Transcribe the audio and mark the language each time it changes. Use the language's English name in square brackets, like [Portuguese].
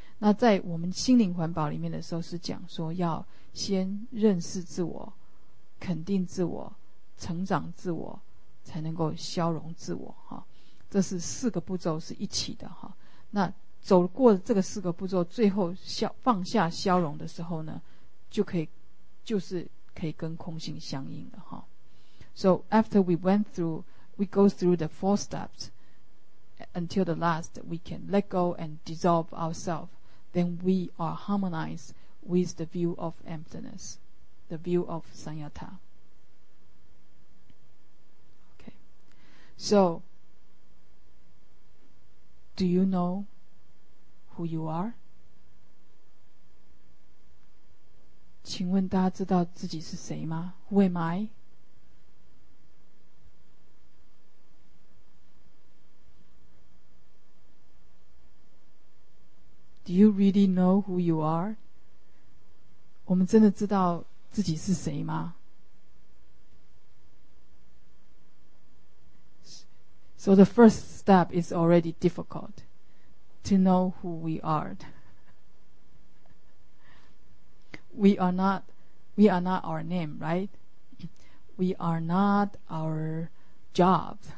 [Chinese] 那在我们心灵环保里面的时候是讲说要先认识自我，肯定自我，成长自我，才能够消融自我，这是四个步骤是一起的。那走过这个四个步骤，最后放下消融的时候呢，就是可以跟空性相应的。 [English] So after we go through the four steps until the last, we can let go and dissolve ourselvesThen we are harmonized with the view of emptiness, the view of sanyata. Okay. So, do you know who you are? [Chinese] 请问大家知道自己是谁吗? [English] Who am I? Do you really know who you are? [Chinese] 我们真的知道自己是谁吗? [English] So the first step is already difficult to know who we are. We are not our name, right? We are not our job.